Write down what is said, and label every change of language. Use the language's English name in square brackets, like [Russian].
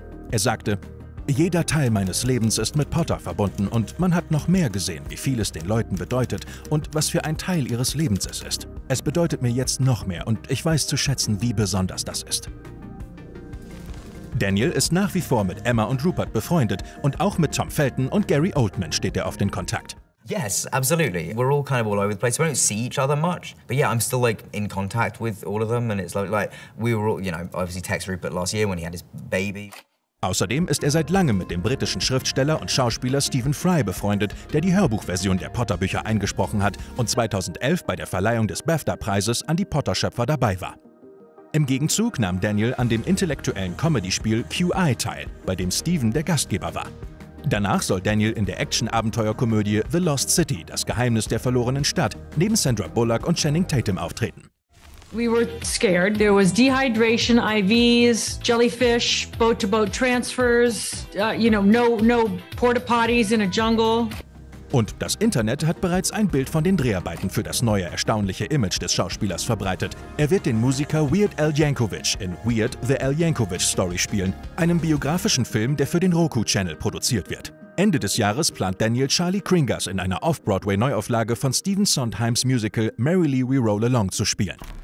[German] Er sagte: Jeder Teil meines Lebens ist mit Potter verbunden und man hat noch mehr gesehen, wie viel es den Leuten bedeutet und was für ein Teil ihres Lebens es ist. Es bedeutet mir jetzt noch mehr und ich weiß zu schätzen, wie besonders das ist. Daniel ist nach wie vor mit Emma und Rupert befreundet und auch mit Tom Felton und Gary Oldman steht er oft in Kontakt. [English] Yes, absolutely. We're all kind of all over the place. We don't see each other much. But yeah, I'm still like in contact with all of them and it's like we were all, you know, obviously text Rupert last year when he had his baby. [German] Außerdem ist er seit langem mit dem britischen Schriftsteller und Schauspieler Stephen Fry befreundet, der die Hörbuchversion der Potter-Bücher eingesprochen hat und 2011 bei der Verleihung des BAFTA-Preises an die Potter-Schöpfer dabei war. Im Gegenzug nahm Daniel an dem intellektuellen Comedy-Spiel QI teil, bei dem Stephen der Gastgeber war. Danach soll Daniel in der Action-Abenteuerkomödie The Lost City – Das Geheimnis der verlorenen Stadt neben Sandra Bullock und Channing Tatum auftreten. [English] We were scared. There was dehydration, IVs, jellyfish, boat-to-boat transfers, you know, no porta-potties in a jungle. [German] Und das Internet hat bereits ein Bild von den Dreharbeiten für das neue erstaunliche Image des Schauspielers verbreitet. Er wird den Musiker Weird Al Yankovic in Weird – The Al Yankovic Story spielen, einem biografischen Film, der für den Roku-Channel produziert wird. Ende des Jahres plant Daniel Charlie Kringas in einer Off-Broadway-Neuauflage von Stephen Sondheims Musical Merrily We Roll Along zu spielen.